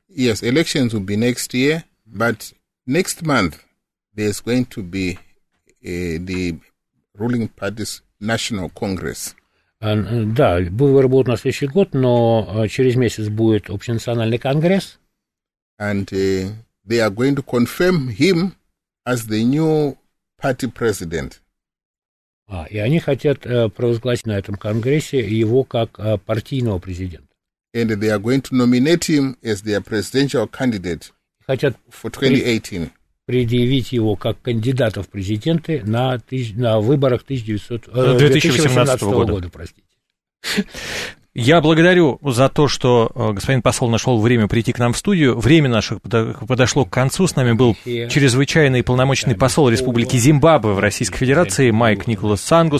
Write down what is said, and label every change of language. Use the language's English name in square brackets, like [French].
[English] Yes, elections will be next year, but next month there's going to be the ruling party's national congress. [Russian] Да, выборы будут на следующий год, но через месяц будет общенациональный конгресс. [English] And they are going to confirm him as the new party president. [Russian] И они хотят провозгласить на этом конгрессе его как партийного президента. [English] And they are going to nominate him as their presidential candidate for 2018. [Russian] Предъявить его как кандидата в президенты на выборах 2018 года. Я благодарю за то, что господин посол нашел время прийти к нам в студию. Время наше подошло к концу. С нами был чрезвычайный и полномочный посол Республики Зимбабве в Российской Федерации Майк Николас Сангу.